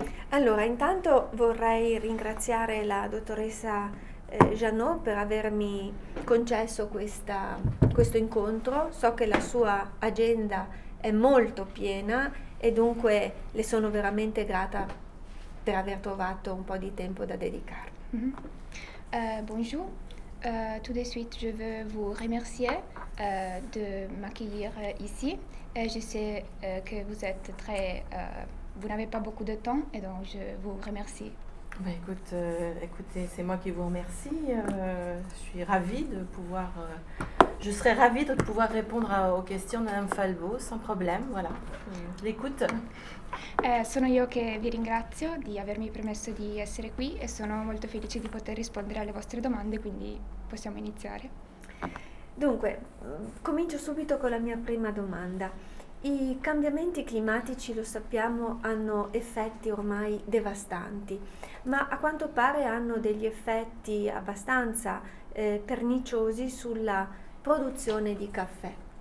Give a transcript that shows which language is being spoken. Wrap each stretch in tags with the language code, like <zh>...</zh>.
<it>Allora, intanto vorrei ringraziare la dottoressa Janot per avermi concesso questo incontro. So che la sua agenda è molto piena e dunque le sono veramente grata per aver trovato un po' di tempo da dedicarmi.</it> <fr>Bonjour. Tout de suite, je veux vous remercier de m'accueillir ici. Et je sais que vous êtes vous n'avez pas beaucoup de temps, et donc je vous remercie. Bah écoutez, c'est moi qui vous remercie. Je suis ravie de pouvoir. Je serais ravie de pouvoir répondre aux questions de Mme Falbo sans problème. Voilà, l'écoute.</fr> <it>Sono io che vi ringrazio di avermi permesso di essere qui e sono molto felice di poter rispondere alle vostre domande, quindi possiamo iniziare. Dunque, comincio subito con la mia prima domanda. I cambiamenti climatici, lo sappiamo, hanno effetti ormai devastanti, ma a quanto pare hanno degli effetti abbastanza, perniciosi sulla produzione di caffè.</it>